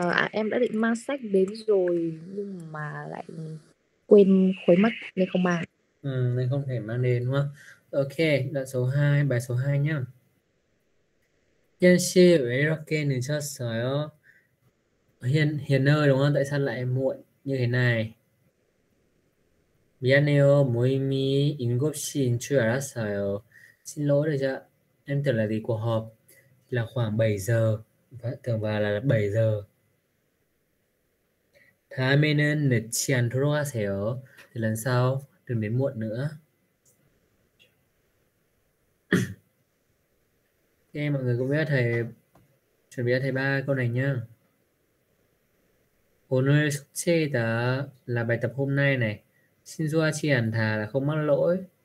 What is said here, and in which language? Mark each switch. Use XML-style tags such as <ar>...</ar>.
<vi>Em đã định mang sách đến rồi nhưng mà lại quên khuấy mất nên không mang. Nên không thể mang đến đúng không? Ok, đoạn số 2, bài số 2 nhá.</vi> <ko>현씨 왜 이렇게 늦었어요?</ko> <vi>Hiền ơi đúng không? Tại sao lại muộn như thế này?</vi> <ko>미안해요. 모임이 7시인 줄 알았어요.</ko> <vi>Xin lỗi được chưa? Em tưởng là gì cuộc họp là khoảng 7 giờ. Tưởng vào là 7 giờ.</vi> <ko>다음에는 늦지 않도록 하세요.</ko> <vi>Thì lần sau đừng đến muộn nữa. Ok, mọi người cũng biết thầy chuẩn bị cho thầy ba câu này nhá.</vi> <ko>오늘 숙제다</ko> <vi>là bài tập hôm nay này.</vi> <ko>신수하지 않다</ko> <vi>là không mắc lỗi.</vi>